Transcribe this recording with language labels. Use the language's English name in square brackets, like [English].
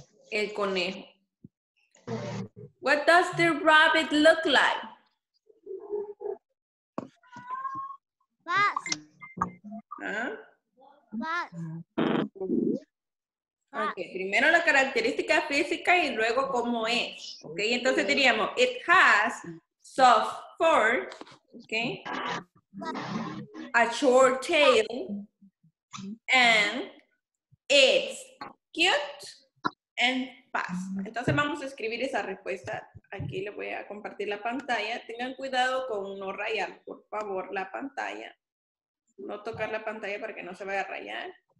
[Spanish] El conejo. [English] What does the rabbit look like? Fast. Fast. [Spanish] Ok, primero la característica física y luego cómo es. Ok, entonces diríamos, [English] it has soft fur, ok, a short tail, and it's cute and fast. [Spanish] Entonces vamos a escribir esa respuesta. Aquí les voy a compartir la pantalla. Tengan cuidado con no rayar, por favor, la pantalla. No tocar la pantalla para que no se vaya a rayar.